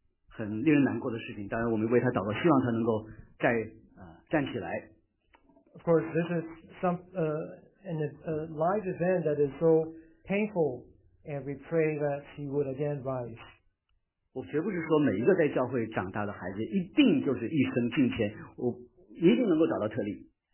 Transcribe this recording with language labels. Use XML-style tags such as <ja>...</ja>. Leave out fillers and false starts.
<zh>很令人难过的事情，当然我们为他祷告，希望他能够再站起来。</zh> <en>Of course, this is some a life event that is so painful, and we pray that he would again rise.</en> <zh>我绝不是说每一个在教会长大的孩子一定就是一生敬虔，我一定能够找到特例。</zh>